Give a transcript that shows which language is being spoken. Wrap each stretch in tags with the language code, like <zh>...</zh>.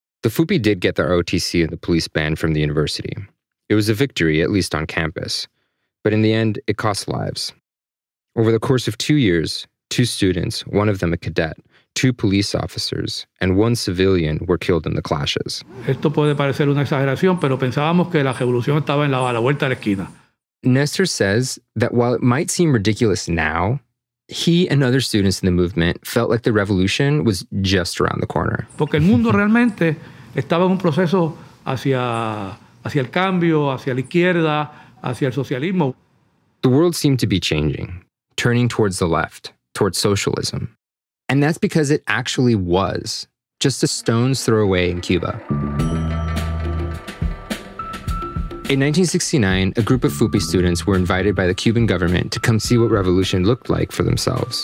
<en>The FUPI did get the ROTC and the police banned from the university. It was a victory, at least on campus. But in the end, it cost lives. Over the course of 2 years, two students, one of them a cadet, two police officers, and one civilian were killed in the clashes.</en> <es>Esto puede parecer una exageración, pero pensábamos que la revolución estaba en la vuelta de la esquina.</es> <en>Nestor says that while it might seem ridiculous now, he and other students in the movement felt like the revolution was just around the corner.</en> <es>Porque el mundo realmente estaba en un proceso hacia el cambio, hacia la izquierda, hacia el socialismo.</es> <en>The world seemed to be changing, turning towards the left, towards socialism. And that's because it actually was just a stone's throw away in Cuba. In 1969, a group of FUPI students were invited by the Cuban government to come see what revolution looked like for themselves.</en>